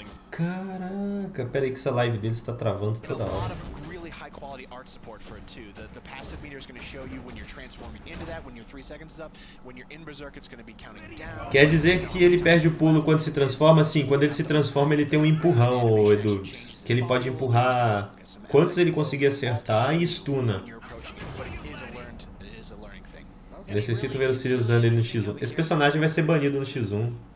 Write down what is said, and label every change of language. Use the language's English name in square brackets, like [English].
[Portuguese] Caraca, pera aí que essa live dele está travando toda hora. [English] High quality art support for it too. The passive meter is going to show you when you're transforming into that, when your 3 seconds is up, when you're in berserk it's going to be counting down. [Portuguese] Quer dizer que ele perde o pulo quando se transforma? Sim, quando ele se transforma ele tem um empurrão, Edu, que ele pode empurrar quantos ele conseguir acertar e stuna. Necessito ver o Sirius usando ele no X1. Esse personagem vai ser banido no X1.